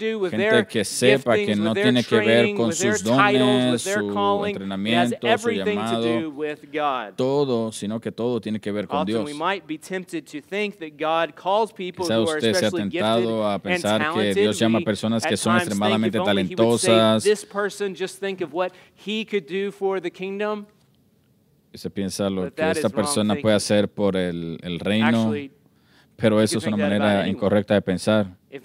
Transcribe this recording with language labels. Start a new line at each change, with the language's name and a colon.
Spanish: Gente que sepa que no tiene que ver con sus dones, su entrenamiento, su llamado. Todo, sino que todo tiene que ver con Dios. Quizá usted sea tentado a pensar que Dios llama a personas que son extremadamente talentosas.
English: Of what he could do for the kingdom.
Spanish: Se piensa lo que esta persona puede hacer por el reino,
English: actually,
Spanish: pero eso es una manera incorrecta de pensar.